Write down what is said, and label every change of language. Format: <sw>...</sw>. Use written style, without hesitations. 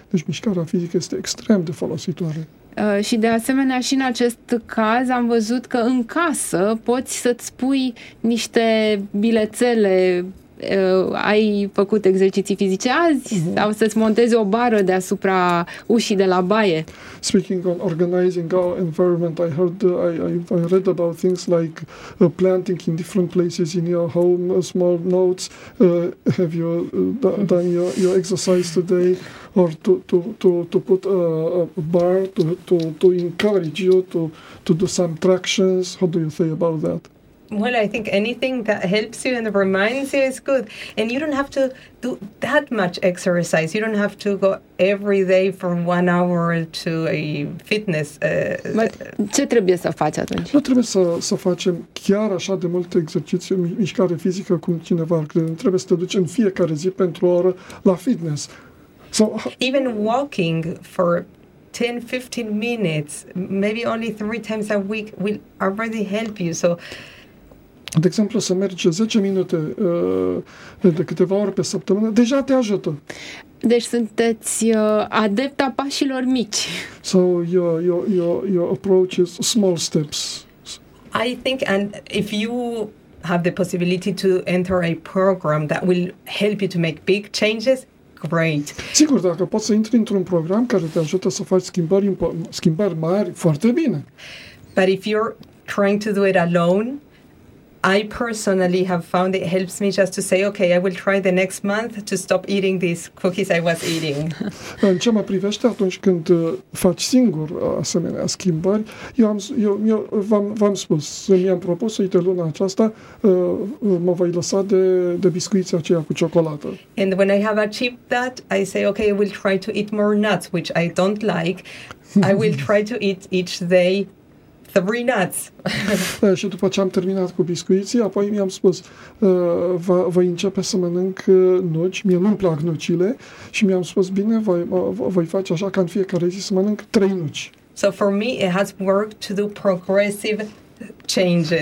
<ro>Deci mișcarea fizică este extrem de folositoare. Și de asemenea, și în acest caz am văzut că în casă poți să-ți pui niște bilețele, ai făcut exerciții fizice azi, sau să-ți montezi o bară deasupra ușii de la baie.</ro> <en>Speaking on organizing our environment, I read about things like planting in different places in your home, small notes, have you done your exercise today, or to put a bar to encourage you to do some tractions. How do you think about that? Well, I think anything that helps you and reminds you is good. And you don't have to do that much exercise. You don't have to go every day from 1 hour to a fitness.</en> <ro>Ce trebuie să faci atunci? Nu trebuie să facem chiar așa de multe exerciții, mișcare fizică cum cineva ar crede. Trebuie să te duci în fiecare zi pentru o oră la fitness.</ro> <en>So, even walking for 10-15 minutes, maybe only 3 times a week, will already help you. So,</en> <ro>de exemplu, să mergi 10 minute de câteva ori pe săptămână, deja te ajută. Deci sunteți adepta pașilor mici.</ro> <en>So your approach is small steps. I think, and if you have the possibility to enter a program that will help you to make big changes, great.</en> <ro>Sigur, dacă poți să intri într-un program care te ajută să faci schimbări mari, foarte bine.</ro> <en>But if you're trying to do it alone, I personally have found it helps me just to say, okay, I will try the next month to stop eating these cookies I was eating.</en> <ro>În ce mă privește, atunci când faci singur asemenea schimbări, mi-am propus, uite, luna aceasta mă voi lăsa de biscuiții aceia cu ciocolată.</ro> <en>And when I have achieved that, I say, okay, I will try to eat more nuts, which I don't like. I will try to eat each day 3 nuts.</en> <ro>Și după ce am terminat cu biscuiții, apoi mi-am spus, voi începe să mănânc nuci, mie nu-mi plac nucile, și mi-am spus, bine, voi face așa ca în fiecare zi să mănânc 3 nuci.</ro> <en>So for me, it has worked to do progressive changes.</en>